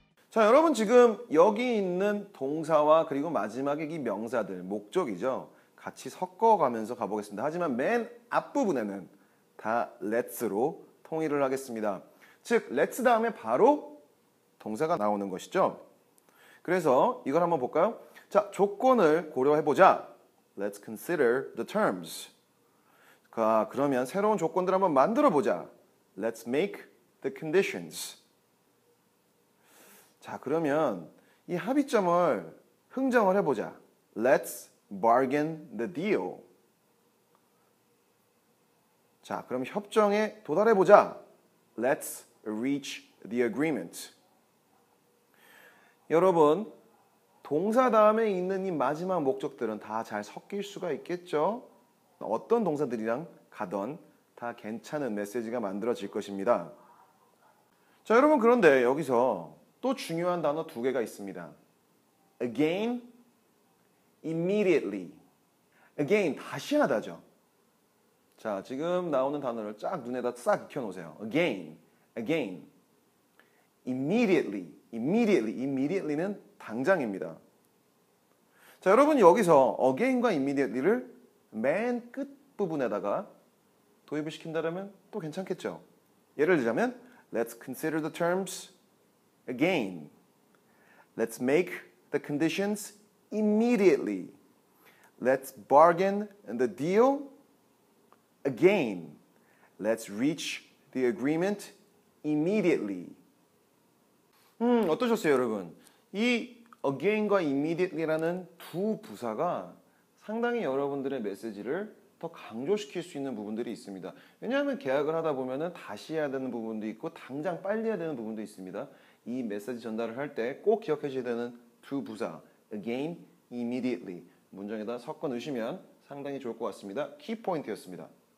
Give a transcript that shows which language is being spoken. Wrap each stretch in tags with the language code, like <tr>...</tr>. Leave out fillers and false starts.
<ko>자, 여러분 지금 여기 있는 동사와 그리고 마지막에 이 명사들, 목적이죠. 같이 섞어가면서 가보겠습니다. 하지만 맨 앞부분에는 다 let's로 통일을 하겠습니다. 즉, let's 다음에 바로 동사가 나오는 것이죠. 그래서 이걸 한번 볼까요? 자, 조건을 고려해보자.</ko> <en>Let's consider the terms.</en> <ko>아, 그러면 새로운 조건들 한번 만들어보자.</ko> <en>Let's make the conditions.</en> <ko>자, 그러면 이 합의점을 흥정을 해보자.</ko> <en>Let's bargain the deal.</en> <ko>자, 그럼 협정에 도달해보자.</ko> <en>Let's reach the agreement.</en> <ko>여러분, 동사 다음에 있는 이 마지막 목적들은 다 잘 섞일 수가 있겠죠? 어떤 동사들이랑 가던 다 괜찮은 메시지가 만들어질 것입니다. 자, 여러분 그런데 여기서 또 중요한 단어 두 개가 있습니다.</ko> <en>Again, immediately. Again,</en> <ko>다시 하다죠. 자, 지금 나오는 단어를 쫙 눈에다 싹 익혀놓으세요.</ko> <en>Again, again. Immediately, immediately, immediately는</en> <ko>당장입니다. 자, 여러분 여기서 again과 immediately를 맨 끝부분에다가 도입을 시킨다면 또 괜찮겠죠. 예를 들자면,</ko> <en>let's consider the terms again. Let's make the conditions immediately. Let's bargain the deal again. Let's reach the agreement immediately.</en> <ko>어떠셨어요, 여러분? 이 again과 immediately라는 두 부사가 상당히 여러분들의 메시지를 더 강조시킬 수 있는 부분들이 있습니다. 왜냐하면 계약을 하다 보면은 다시 해야 되는 부분도 있고 당장 빨리 해야 되는 부분도 있습니다. 이 메시지 전달을 할 때 꼭 기억해 주셔야 되는 두 부사 again, immediately 문장에다 섞어 넣으시면 상당히 좋을 것 같습니다. 키포인트였습니다.</ko>